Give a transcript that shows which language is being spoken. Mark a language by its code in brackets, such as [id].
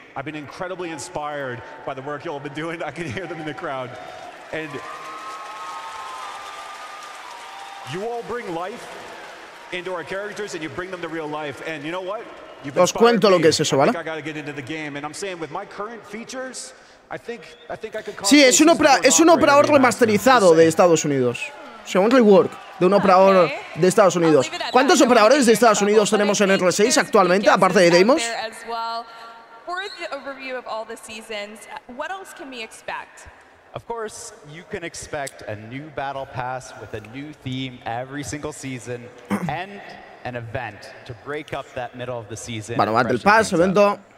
[en] I've been incredibly inspired by the work you all have been doing. I can hear them in the crowd. And you all bring life into our characters, and you bring them to real life. And you know what? You've inspired [es] cuento [en] me. [es] Lo que es eso, ¿vale? [en] I think I got to get into the game. And I'm saying with my current features, I think I could call [es] sí, es un operador remasterizado de Estados Unidos. Según rework de un operador de Estados Unidos. ¿Cuántos operadores de Estados Unidos tenemos en R6 actualmente, aparte de Deimos? [en] For the overview of all the seasons, what else can we expect? Of course, you can expect a new battle pass with a new theme every single season and an event to break up that middle of the season. [es] Bueno, battle pass, evento.